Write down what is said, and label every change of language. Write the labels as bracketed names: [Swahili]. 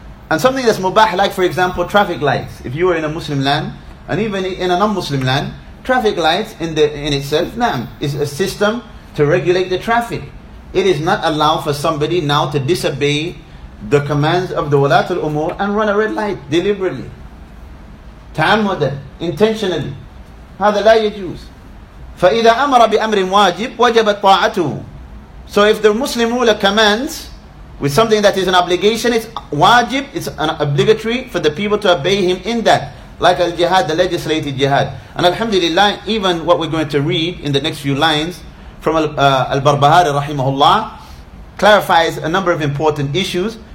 [English] And something that's mubah, like for example, traffic lights. If you are in a Muslim land, and even in a non-Muslim land, traffic lights in itself, na'am, is a system to regulate the traffic. It is not allowed for somebody now to disobey the commands of the Walat al-Umur and run a red light deliberately. Ta'ammudan, intentionally. [Arabic] هذا لا يجوز. فإذا أمر بأمر واجب وجبت طاعته. [English] So if the Muslim ruler commands with something that is an obligation, it's wajib, it's an obligatory for the people to obey him in that. Like al-jihad, the legislated jihad. And alhamdulillah, even what we're going to read in the next few lines from al-Barbahari rahimahullah clarifies a number of important issues.